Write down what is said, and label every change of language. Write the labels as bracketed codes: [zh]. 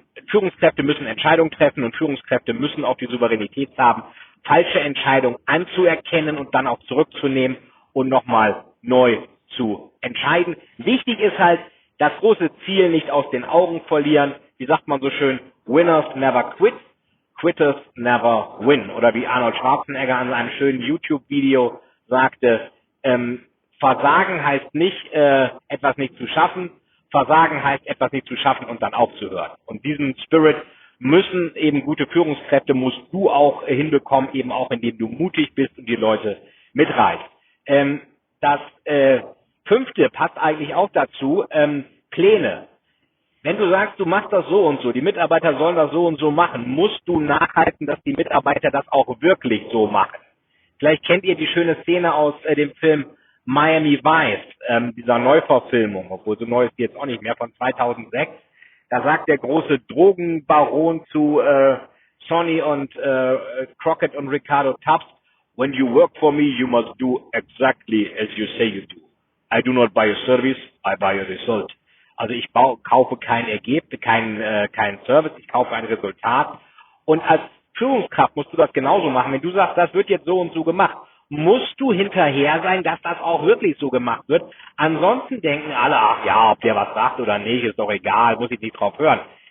[de] Führungskräfte müssen Entscheidungen treffen und Führungskräfte müssen auch die Souveränität haben, falsche Entscheidungen anzuerkennen und dann auch zurückzunehmen und nochmal neu zu entscheiden. Wichtig ist halt, das große Ziel nicht aus den Augen verlieren. Wie sagt man so schön? [en] Winners never quit, quitters never win. [de] Oder wie Arnold Schwarzenegger in einem schönen YouTube-Video sagte, Versagen heißt nicht, etwas nicht zu schaffen. Versagen heißt, etwas nicht zu schaffen und dann aufzuhören. Und diesen Spirit müssen eben gute Führungskräfte, musst du auch hinbekommen, eben auch indem du mutig bist und die Leute mitreißt. Das fünfte passt eigentlich auch dazu, Pläne. Wenn du sagst, du machst das so und so, die Mitarbeiter sollen das so und so machen, musst du nachhalten, dass die Mitarbeiter das auch wirklich so machen. Vielleicht kennt ihr die schöne Szene aus dem Film Miami Vice, dieser Neuverfilmung, obwohl so neu ist die jetzt auch nicht mehr, von 2006. Da sagt der große Drogenbaron zu [en] Sonny und Crockett und Ricardo Tubbs, when you work for me, you must do exactly as you say you do. I do not buy a service, I buy a result. [de] Also ich kaufe kein Ergebnis, kein Service, ich kaufe ein Resultat. Und als Führungskraft musst du das genauso machen. Wenn du sagst, das wird jetzt so und so gemacht, musst du hinterher sein, dass das auch wirklich so gemacht wird. Ansonsten denken alle, ach ja, ob der was sagt oder nicht, ist doch egal, muss ich nicht drauf hören.